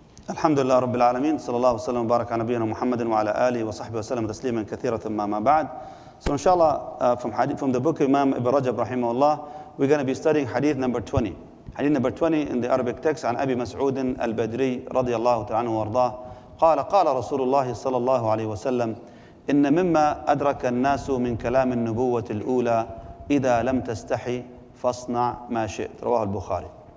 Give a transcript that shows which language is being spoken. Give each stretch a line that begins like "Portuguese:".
Arabic: الحمد لله رب العالمين صلى الله وسلم وبارك على نبينا محمد وعلى آله وصحبه وسلم تسليما كثيرا ثم بعد.
English: So inshallah, from the book of Imam Ibn Rajab رحمه الله, we're going to be studying hadith number 20. Hadith number 20 in the Arabic text,
Arabic: عن أبي مسعود البدري رضي الله تعالى عنه وارضاه قال قال رسول الله صلى الله عليه وسلم إن مما أدرك الناس من كلام النبوة الأولى إذا لم تستحي فاصنع ما شئت, رواه البخاري.